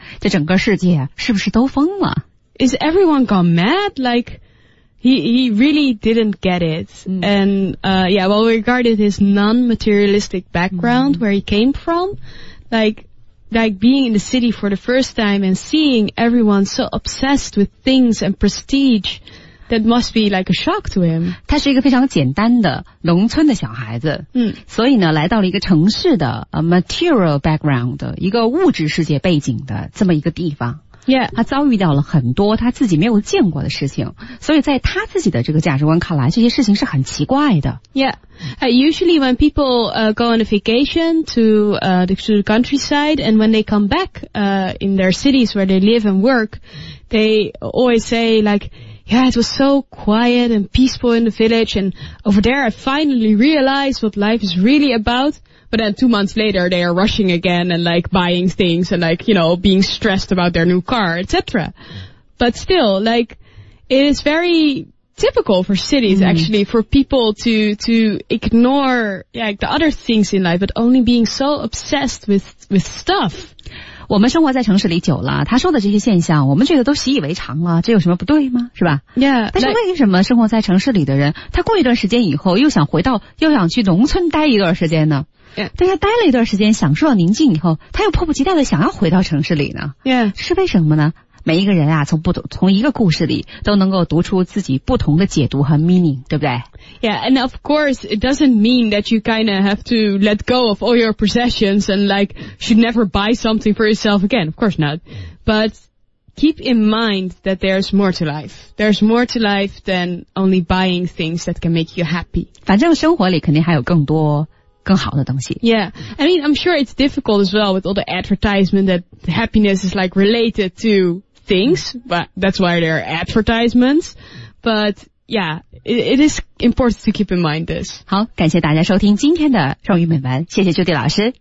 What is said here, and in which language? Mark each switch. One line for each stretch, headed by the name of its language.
Chinese: 这整个世界是不是都疯了
English: ？Is everyone gone mad? Like he really didn't get it. Mm. And well, regarded his non-materialistic background where he came from, like being in the city for the first time and seeing everyone so obsessed with things and prestige, that must be like a shock to him.
Chinese: 他是一个非常简单的农村的小孩子，嗯，所以呢，来到了一个城市的
English: material background,
Chinese: 一个物质世界背景的这么一个地方。
English: Yeah.
Chinese: 他遭遇到了很多他自己没有见过的事情，所以在他自己的这个价值观看来，这些事情是很奇怪的。
English: Yeah. Usually when people go on a vacation to the countryside and when they come back in their cities where they live and work, they always say like, yeah, it was so quiet and peaceful in the village and over there I finally realized what life is really about. But then 2 months later they are rushing again and like buying things and like, you know, being stressed about their new car, etc. But still, like, it is very... typical for cities, actually, for people to ignore, like, the other things in life, but only being so obsessed with stuff.
Chinese: 我们生活在城市里久了，他说的这些现象，我们觉得都习以为常了，这有什么不对吗？是吧？
English: Yeah.
Chinese: 但是为什么生活在城市里的人，他过一段时间以后又想回到，又想去农村待一段时间呢？
English: Yeah.
Chinese: 但是待了一段时间，享受了宁静以后，他又迫不及待的想要回到城市里呢？
English: Yeah.
Chinese: 是为什么呢？每一个人啊，从一个故事里都能够读出自己不同的解读和 meaning， 对不对？
English: Yeah, and of course, it doesn't mean that you kind of have to let go of all your possessions and like should never buy something for yourself again. Of course not. But keep in mind that there's more to life. There's more to life than only buying things that can make you happy.
Chinese: 反正生活里肯定还有更多更好的东西。
English: Yeah, I mean, I'm sure it's difficult as well with all the advertisement that happiness is like related to. Things, but that's why there are advertisements. But yeah, it is important to keep in mind this.
Chinese: 好，感谢大家收听今天的双语美文，谢谢Judy老师。